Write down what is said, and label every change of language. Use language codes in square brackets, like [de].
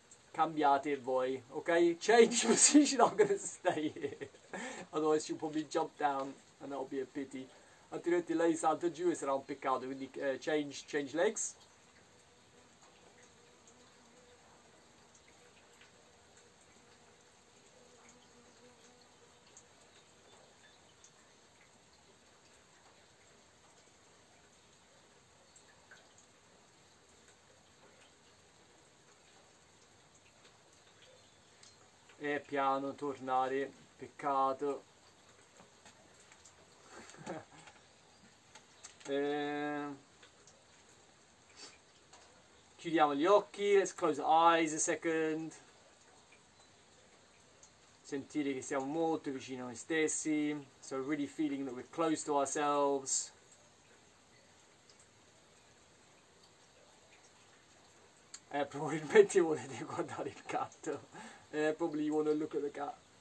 [it] Cambiate voi, ok? [en] Change position, I'm gonna stay here. Otherwise she'll probably jump down and that'll be a pity. [it] Altrimenti lei salta giù e sarà un peccato, quindi [en] change legs. [it] E piano tornare, peccato. chiudiamo gli occhi, [en] let's close the eyes a second. [it] Sentire che siamo molto vicini a noi stessi. [en] So really feeling that we're close to ourselves. [it] Probabilmente volete guardare il gatto. [en] Probably you want to look at the cat.